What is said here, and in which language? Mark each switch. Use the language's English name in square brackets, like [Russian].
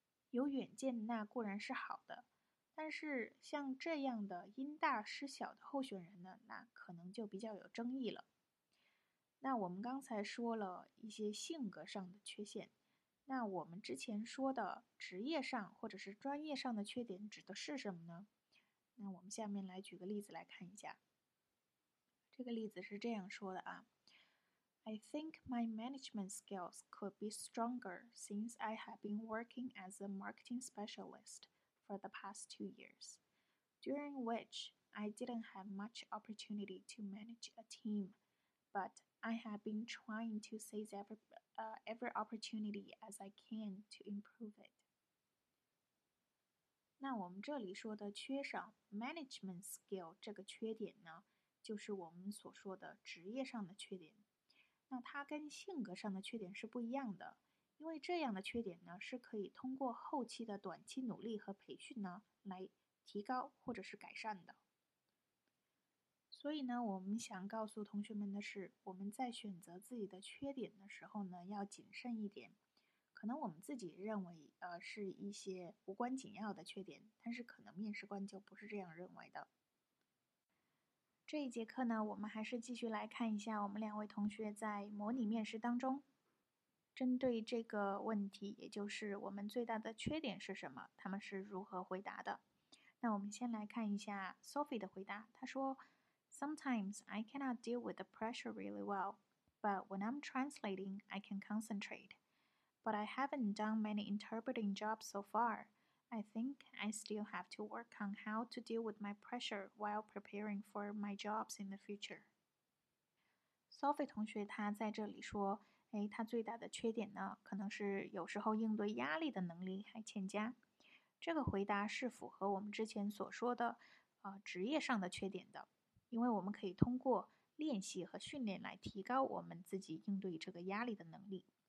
[Chinese] 有远见那固然是好的，但是像这样的因大失小的候选人呢，那可能就比较有争议了。那我们刚才说了一些性格上的缺陷，那我们之前说的职业上或者是专业上的缺点指的是什么呢？那我们下面来举个例子来看一下。这个例子是这样说的啊， [English] I think my management skills could be stronger since I have been working as a marketing specialist for the past 2 years, during which I didn't have much opportunity to manage a team, but I have been trying to seize every opportunity as I can to improve it. [Chinese] 那我们这里说的缺少 management skill 这个缺点呢，就是我们所说的职业上的缺点。那它跟性格上的缺点是不一样的，因为这样的缺点呢是可以通过后期的短期努力和培训呢来提高或者是改善的。所以呢，我们想告诉同学们的是，我们在选择自己的缺点的时候呢要谨慎一点，可能我们自己认为是一些无关紧要的缺点，但是可能面试官就不是这样认为的。这一节课呢，我们还是继续来看一下我们两位同学在模拟面试当中针对这个问题，也就是我们最大的缺点是什么，他们是如何回答的。那我们先来看一下 Sophie 的回答。她说 [English] Sometimes I cannot deal with the pressure really well, but when I'm translating, I can concentrate. But I haven't done many interpreting jobs so far. I think I still have to work on how to deal with my pressure while preparing for my jobs in the future. [Chinese] Sophie 同学她在这里说，她最大的缺点呢，可能是有时候应对压力的能力还欠佳。这个回答是符合我们之前所说的职业上的缺点的，因为我们可以通过练习和训练来提高我们自己应对这个压力的能力。